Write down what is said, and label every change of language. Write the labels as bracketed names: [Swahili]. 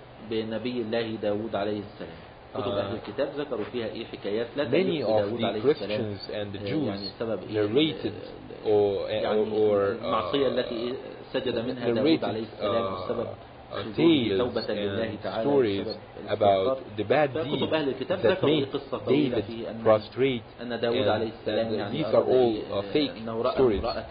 [Arabic] بنبي الله داود عليه السلام كتب أهل الكتاب ذكروا فيها إيه حكايات لا [English] many of the Christians and the Jews narrated or [Arabic] معصية التي سجد منها داود عليه السلام بسبب [English] tales and stories about the bad deeds that made David prostrate, and these are all fake stories.